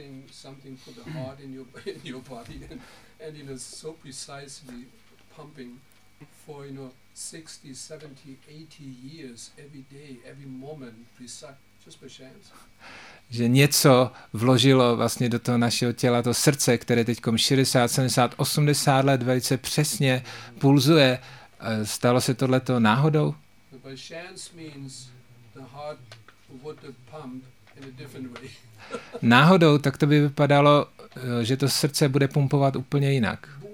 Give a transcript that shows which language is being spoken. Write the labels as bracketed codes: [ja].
[en] Something for the heart in your body and you know so precisely pumping for you know 60 70 80 years every day every moment just by chance. [cs] Že něco vložilo vlastně do toho našeho těla to srdce, které teďkom 60 70 80 let velice přesně pulzuje. Stalo se tohle to náhodou? [en] By chance means the heart would pump in a different way. [cs] Náhodou, tak to by vypadalo, že to srdce bude pumpovat úplně jinak.